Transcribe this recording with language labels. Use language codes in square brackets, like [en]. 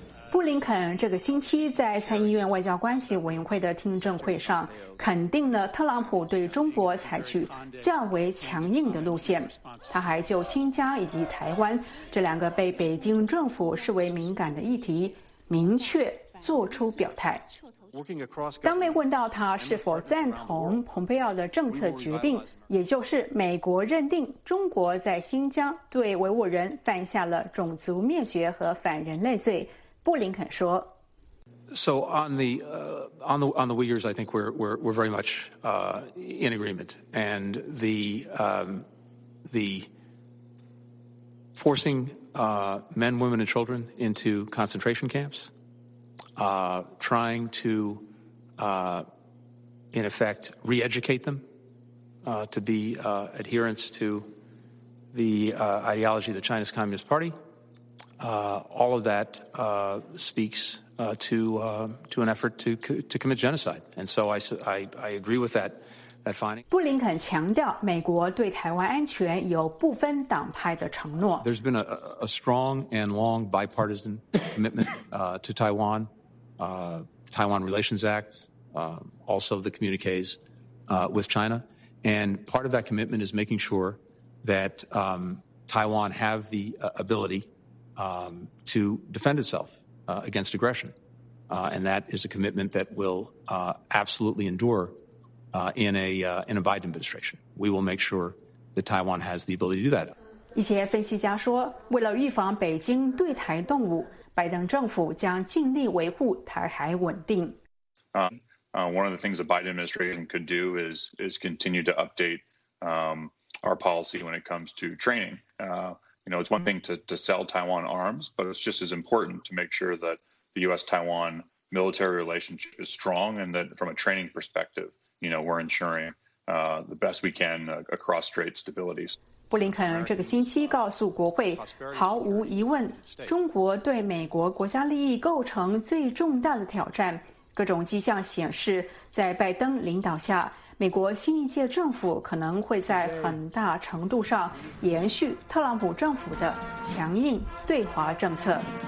[zh] 布林肯这个星期在参议院外交关系委员会的听证会上肯定了特朗普对中国采取较为强硬的路线，他还就新疆以及台湾这两个被北京政府视为敏感的议题明确做出表态。当被问到他是否赞同蓬佩奥的政策决定，也就是美国认定中国在新疆对维吾尔人犯下了种族灭绝和反人类罪，布林肯说， [en] So on the Uyghurs, I think we're very much in agreement, and the forcing men, women, and children into concentration camps, trying to in effect re-educate them to be adherents to the ideology of the Chinese Communist Party. All of that speaks to an effort to commit genocide, and so I agree with that finding. [zh] 布林肯强调，美国对台湾安全有不分党派的承诺。 [en] There's been a strong and long bipartisan commitment to Taiwan, Taiwan Relations Act, also the communiques with China, and part of that commitment is making sure that Taiwan have the ability to defend itself against aggression. And that is a commitment that will absolutely endure in a Biden administration. We will make sure that Taiwan has the ability to do that. [zh] 一些分析家说，为了预防北京对台动武，拜登政府将尽力维护台海稳定。 [en] One of the things the Biden administration could do is continue to update our policy when it comes to training. You know, it's one thing to sell Taiwan arms, but it's just as important to make sure that the U.S.-Taiwan military relationship is strong and that from a training perspective, you know, we're ensuring the best we can across strait stabilities. [zh] 布林肯这个星期告诉国会，毫无疑问，中国对美国国家利益构成最重大的挑战。各种迹象显示，在拜登领导下，美国新一届政府可能会在很大程度上延续特朗普政府的强硬对华政策。